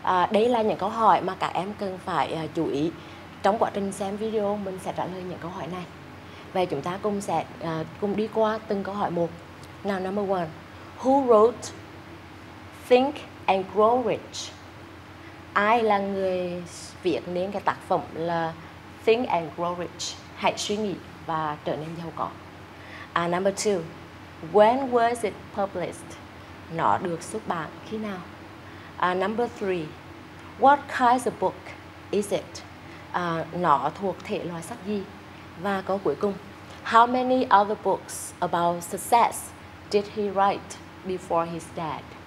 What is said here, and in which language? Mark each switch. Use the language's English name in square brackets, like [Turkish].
[Vietnamese] Đây là những câu hỏi mà các em cần phải chú ý trong quá trình xem video. Mình sẽ trả lời những câu hỏi này. Vậy chúng ta cùng sẽ cùng đi qua từng câu hỏi một. [English] Now number one, who wrote Think and Grow Rich? [Vietnamese] Ai là người viết nên cái tác phẩm là Think and Grow Rich? Hãy suy nghĩ và trở nên giàu có. [English] Number two, when was it published? [Vietnamese] Nó được xuất bản khi nào? [English] Number three, what kind of book is it? [Vietnamese] Nó thuộc thể loại sách gì? Và câu cuối cùng, [English] how many other books about success did he write before his death?